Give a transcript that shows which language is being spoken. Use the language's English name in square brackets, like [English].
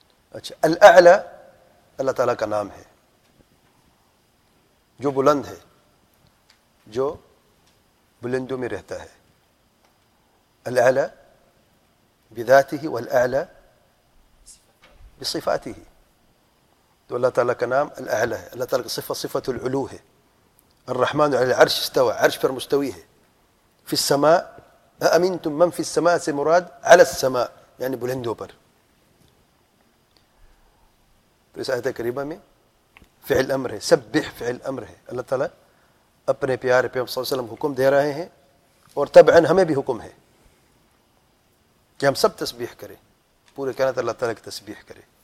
[Urdu] اچھا, الاعلی اللہ تعالیٰ کا نام ہے جو بلند ہے, جو بلندوں میں رہتا ہے. الاعلی بذاتہ والاعلی بصفاتہ, تو اللہ تعالیٰ کا نام الاعلی ہے. اللہ تعالیٰ کی صفۃ العلو ہے. [Arabic] الرحمن علی العرش استوى, [Urdu] عرش پر مستوی ہے. فی السماء [Arabic] أأمنتم من في السماء, [Urdu] سے مراد على السماء یعنی بلندوں پر. تو اس آیت کریمہ میں فعل امر ہے, سبح فعل امر ہے. اللہ تعالیٰ اپنے پیارے پیغمبر صلی اللہ علیہ وسلم حکم دے رہے ہیں, اور طبعاً ہمیں بھی حکم ہے کہ ہم سب تسبیح کریں, پورے کائنات اللہ تعالیٰ کی تسبیح کرے.